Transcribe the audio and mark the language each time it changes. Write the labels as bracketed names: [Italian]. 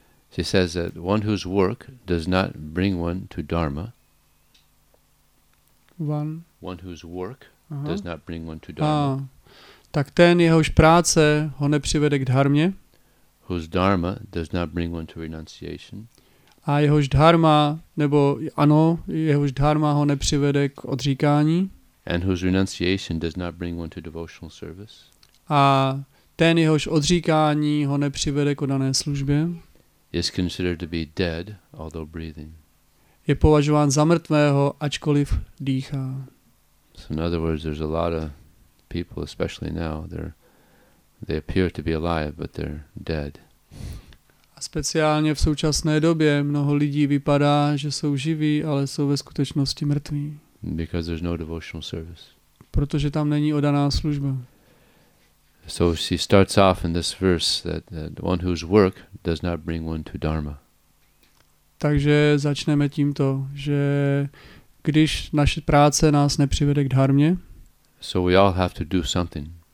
[English] She says that one whose work does not bring one to dharma. One whose work does not bring one to dharma. [Czech] Tak ten, jehož práce ho nepřivede k dharmě. [English] Whose dharma does not bring one to renunciation. [Czech] A jehož dharma, nebo ano, jehož dharma ho nepřivede k odříkání. [English] And whose renunciation does not bring one to devotional service. [Czech] A ten, jehož odříkání ho nepřivede k dané službě. [English] Is considered to be dead, although breathing. [Czech] Je považován za mrtvého, ačkoliv dýchá. [English] So in other words, there's a lot of people, especially now, they appear to be alive, but they're dead. [Czech] A speciálně v současné době mnoho lidí vypadá, že jsou živí, ale jsou ve skutečnosti mrtví. [English] Because there's no devotional service. [Czech] Protože tam není odaná služba. [English] So she starts off in this verse that one whose work does not bring one to dharma. [Czech] Takže začneme tímto, že když naše práce nás nepřivede k dharmě, [English] so we all have to do something.